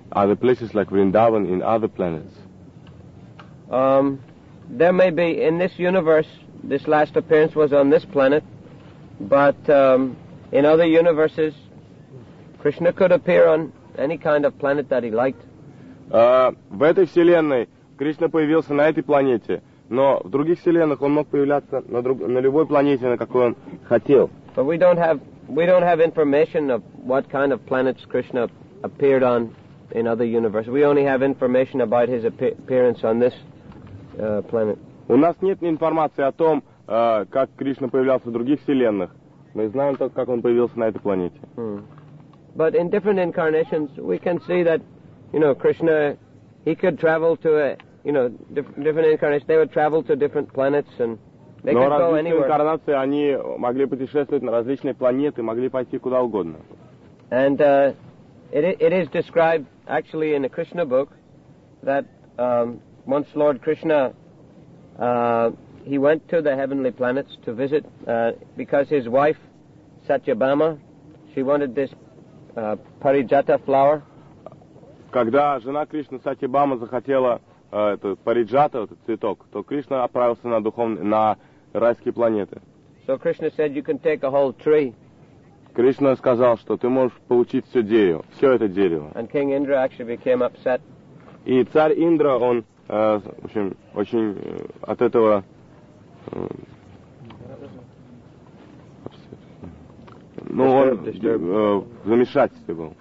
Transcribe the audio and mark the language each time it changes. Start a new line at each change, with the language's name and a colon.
English: other places like Vrindavan, in other planets. There may be in this universe. This last appearance was on this planet, but in other universes, Krishna could appear on any kind of planet that he liked.
Russian: В этой вселенной Кришна появился на этой планете, но в других вселенных он мог появляться на любой планете, на какой он хотел.
English: But we don't have information of what kind of planets Krishna appeared on in other universes. We only have information about his appearance on this planet.
Russian: У нас нет информации о том, как Кришна появлялся в других вселенных. Мы знаем только, как он появился на этой планете. Hmm.
English: But in different incarnations, we can see that, you know, Krishna, he could travel to a, you know, different incarnations. They would travel to different planets and they could go anywhere.
Russian: Но различные инкарнации, они могли путешествовать на различные планеты, могли пойти куда угодно.
English: And it is described actually in the Krishna book that once Lord Krishna he went to the heavenly planets to visit because his wife Satyabhama, she wanted this Parijata flower.
Russian: Когда жена Кришны Сатьябама захотела эту Париджата, этот цветок, то Кришна отправился на на райские планеты.
English: So Krishna said you can take a whole tree.
Russian: Кришна сказал, что ты можешь получить все дерево, все это дерево.
English: And King Indra actually became upset.
Russian: И царь Индра, он в общем, очень от этого в замешательстве был.